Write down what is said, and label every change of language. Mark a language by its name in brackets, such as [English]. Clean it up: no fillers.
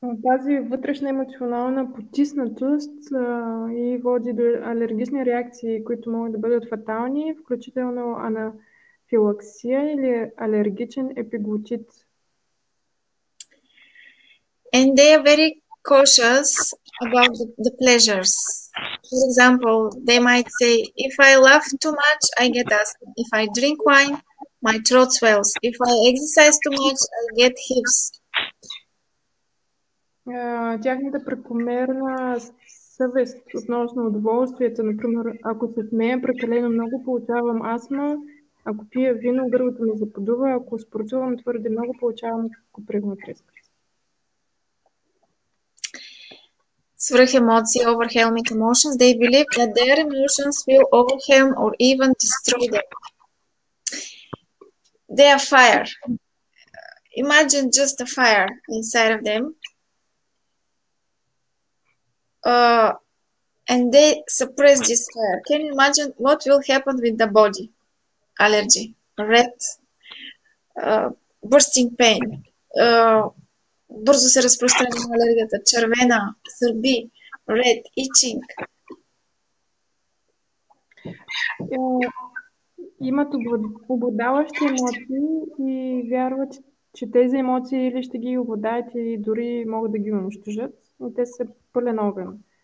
[Bulgarian] Тази вътрешна емоционална потиснатост и води до алергични реакции, които могат да бъдат фатални, включително анафилаксия или алергичен епиглотит. [English] And they are very cautious about the pleasures. For example, they might say, if I laugh too much, I get asthma. If I drink wine, my throat swells. If I exercise too much, I get hives. [Bulgarian] Тяхната прекомерна съвест относно удоволствието, например, ако се смея прекалено много, получавам астма, ако пия вино, гърлото ми заподува, ако спортувам твърде много, получавам куприна треска. Свръх емоции, [English] overwhelming emotions, they believe that their emotions will overwhelm or even destroy them. They are fire. Imagine just a fire inside of them. And they suppress this fire. Can you imagine what will happen with the body? Allergy, red, bursting pain, [Bulgarian] бързо се разпространява на алергията, червена, сърби, [English] red, itching. [Bulgarian] Имат обладаващи емоции и вярват, че тези емоции или ще ги обладаят и дори могат да ги унищожат, но те са пълен огън.